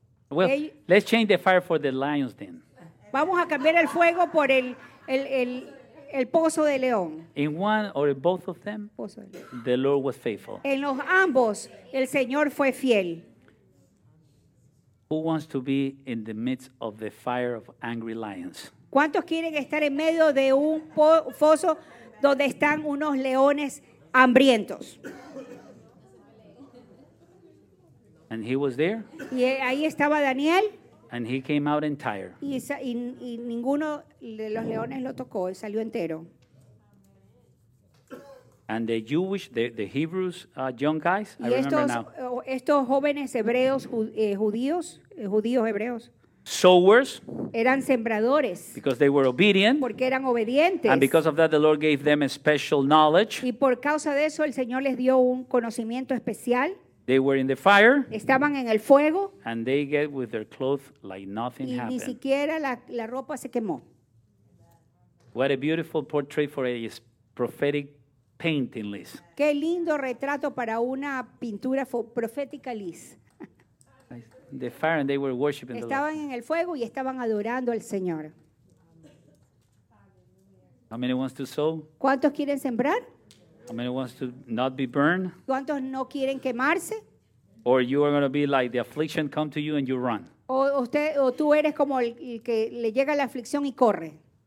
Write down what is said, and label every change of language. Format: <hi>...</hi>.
<en>Well, let's change the fire for the lions then.</en> <es>Vamos a cambiar el fuego por el pozo de león.</es> <en>In one or in both of them, the Lord was faithful.</en> <es>En los ambos, el Señor fue fiel.</es> <en>Who wants to be in the midst of the fire of angry lions?</en> <es>¿Cuántos quieren estar en medio de un foso donde están unos leones hambrientos?</es> <en>And he was there.</en> <es>Y ahí estaba Daniel.</es> <en>And he came out entire.</en> <es>Y ninguno de los leones lo tocó, él salió entero.</es> <en>And the Jewish, the Hebrews, young guys,</en> <es>y estos,</es> <en>I remember now.</en> <es>Estos jóvenes hebreos, judíos, judíos hebreos.</es> <en>Sowers.</en> <es>Eran sembradores.</es> <en>Because they were obedient.</en> <es>Porque eran obedientes.</es> <en>And because of that, the Lord gave them a special knowledge.</en> <es>Y por causa de eso, el Señor les dio un conocimiento especial.</es> <en>They were in the fire.</en> <es>Estaban en el fuego.</es> <en>And they get with their clothes like nothing</en> <es>y</es> <en>happened.</en> <es>Y ni siquiera la ropa se quemó.</es> <en>What a beautiful portrait for a prophetic painting, Liz.</en> <es>Qué lindo retrato para una pintura profética, Liz.</es> <en>The fire and they were worshiping.</en> <es>Estaban en el fuego y estaban adorando al Señor.</es> <en>How many wants to sow?</en> <es>¿Cuántos quieren sembrar?</es> <en>How many wants to not be burned?</en> <es>¿Cuántos no quieren quemarse?</es> <en>Or you are going to be like the affliction come to you and you run.</en> <es>O tú eres como el que le llega la aflicción y corre.</es>